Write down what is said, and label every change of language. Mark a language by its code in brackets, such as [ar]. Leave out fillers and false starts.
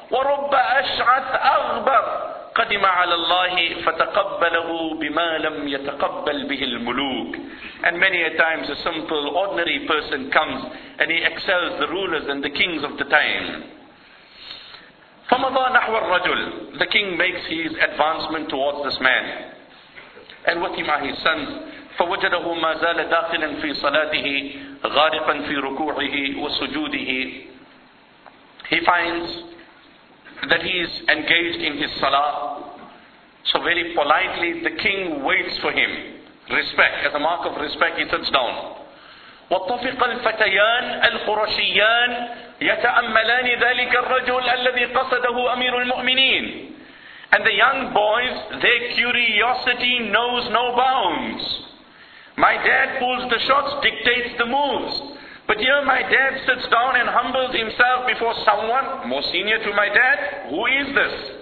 [ar] وَرُبَّ أَشْعَثْ أَغْبَرْ قَدِمَ عَلَى اللَّهِ فَتَقَبَّلَهُ بِمَا لَمْ يَتَقَبَّلْ بِهِ الْمُلُوكِ. [en] And many a times a simple, ordinary person comes and he excels the rulers and the kings of the time. [ar] فَمَضَى نَحْوَ الرَّجُلِ. [en] The king makes his advancement towards this man. [ar] الوتم على سن فوجده ما زال داخلا في صلاته غارقا في ركوعه وسجوده. [en] He finds that he is engaged in his salah. So very politely the king waits for him. Respect, as a mark of respect, he sits down. [ar] وطفق الفتيان القرشيان يتأملان ذلك الرجل الذي قصده أمير المؤمنين. [en] And the young boys, their curiosity knows no bounds. My dad pulls the shots, dictates the moves. But here my dad sits down and humbles himself before someone more senior to my dad. Who is this?